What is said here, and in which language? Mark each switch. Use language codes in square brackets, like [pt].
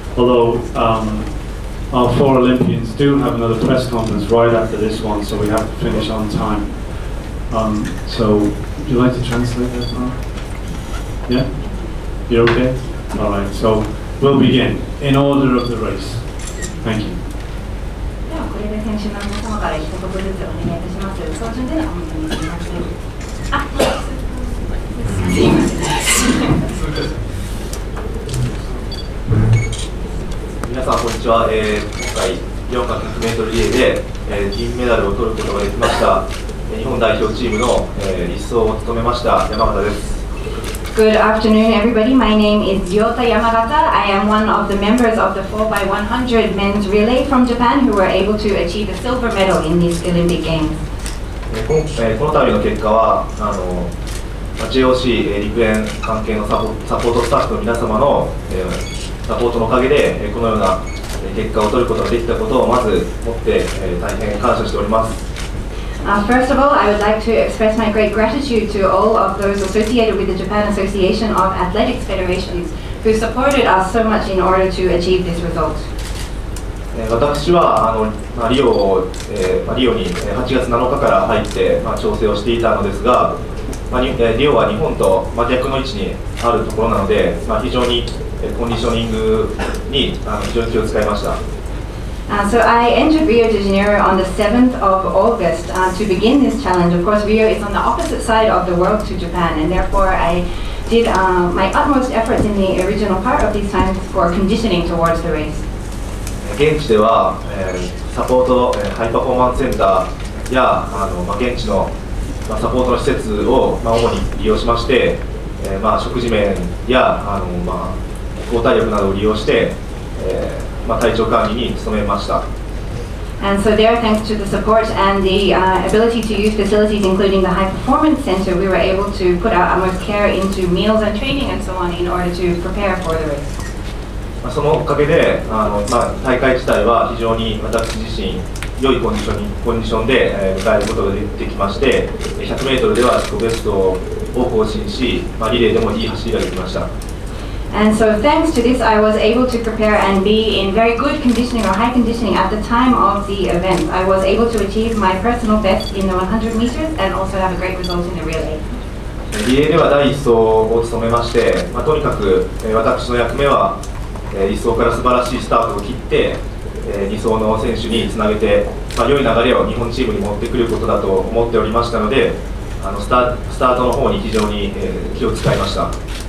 [en] Although, our four Olympians do have another press conference right after this one, so we have to finish on time. So, would you like to translate that, Mark? Yeah? You're okay? All right, so we'll begin in order of the race. Thank you. [ja] では、これで選手の皆様から一言ずつお願いいたします。その順でお願いします。あ、すいません。皆さん、こんにちは。今回、4×100m リレーで、銀メダルを取ることができました。日本代表チームの一走を務めました、山形です。 [en] Good afternoon, everybody. My name is Yota Yamagata. I am one of the members of the 4x100 men's relay from Japan who were able to achieve a silver medal in this Olympic Games. [ja] この度の結果は、JOC 陸連関係のサポートスタッフの皆様の、サポートのおかげで、このような結果を取ることができたことをまず持って、大変感謝しております。 [en] First of all, I would like to express my great gratitude to all of those associated with the Japan Association of Athletics Federations who supported us so much in order to achieve this result. [ja] 私はリオに8月7日から入って、調整をしていたのですが、リオは日本と逆の位置にあるところなので、非常にコンディショニングに非常に気を使いました。 [en] So I entered Rio de Janeiro on the 7th of August to begin this challenge. Of course, Rio is on the opposite side of the world to Japan, and therefore I did my utmost efforts in the original part of these times for conditioning towards the race. [ja] 現地では、サポート、ハイパフォーマンスセンターや、現地の、サポートの施設を、主に利用しまして、食事面や、交代力などを利用して、体調管理に努めました。 [en] And so there, thanks to the support and the ability to use facilities, including the high performance center, we were able to put our utmost care into meals and training and so on in order to prepare for the race. [ja] そのおかげで、大会自体は非常に私自身良いコンディションで、迎えることができまして、100メートルでは自己ベストをを更新し、まあ、リレーでもいい走りができました。 [en] And so thanks to this, I was able to prepare and be in very good conditioning or high conditioning at the time of the event. I was able to achieve my personal best in the 100 meters and also have a great result in the relay. [ja] リレーでは第1走を務めまして、まあ、とにかく私の役目は1走から素晴らしいスタートを切って2走の選手につなげて、まあ、良い流れを日本チームに持ってくることだと思っておりましたので、あのスタートの方に非常に気を使いました。